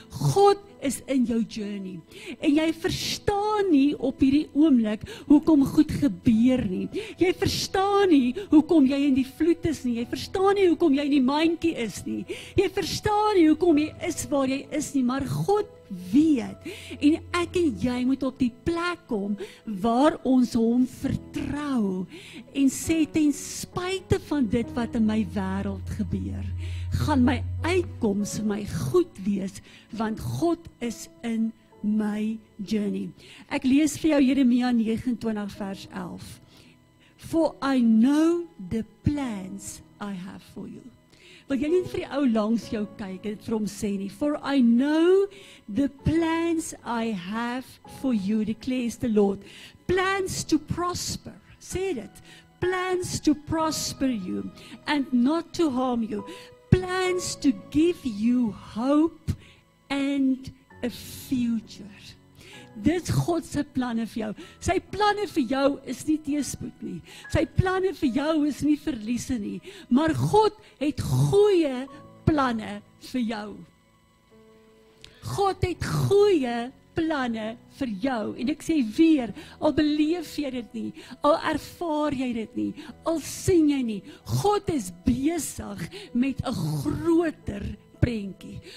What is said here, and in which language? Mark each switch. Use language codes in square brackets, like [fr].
[af] God is in jou journey, en jy verstaan nie op hierdie oomblik hoekom goed gebeur nie, jy verstaan nie hoekom jy in die vloed is nie, jy verstaan nie hoekom jy in die mandjie is nie, jy verstaan nie hoekom jy is waar jy is nie, maar God weet, en ek en jy moet op die plek kom waar ons hom vertrou en sê, ten spyte van dit wat in my wêreld gebeur, gaan my uitkoms my goed wees, want God is in my journey. Ek lees vir jou Jeremia 29 vers 11. [en] For I know the plans I have for you. [af] Wil jy nie vir die ou langs jou kyk en vir hom sê nie, [en] for I know the plans I have for you, declares the Lord. Plans to prosper, [af] sê dit, [en] plans to prosper you and not to harm you. Plans to give you hope and a future. [af] Dis God se planne vir jou. Sy planne vir jou is nie teëspoed nie. Sy planne vir jou is nie verliese nie, maar God het goeie planne vir jou. God het goeie planne vir jou. En ek sê weer, al beleef jy dit nie, al ervaar jy dit nie, al sien jy nie, God is besig met 'n groter prentjie.